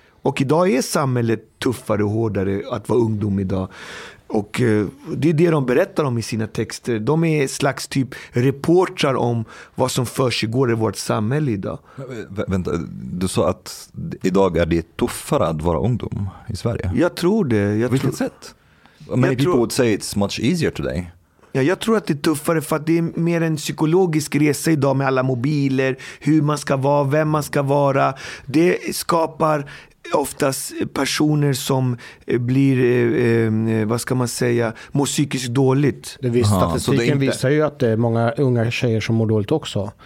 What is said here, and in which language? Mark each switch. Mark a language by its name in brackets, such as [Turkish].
[Swedish] Och idag är samhället tuffare och hårdare att vara ungdom idag. Och det är det de berättar om i sina texter. De är slags typ reportrar om vad som försiggår i vårt samhälle idag. Vänta, du sa att idag är det tuffare att vara ungdom i Sverige? Jag tror det. Vilket sätt? [English] Many people would say it's much easier today. [Swedish] Ja, jag tror att det är tuffare för att det är mer en psykologisk resa idag med alla mobiler, hur man ska vara, vem man ska vara. Det skapar oftast personer som blir, vad ska man säga, mår psykiskt dåligt. Det visst, statistiken visar ju att det är många unga tjejer som mår dåligt också.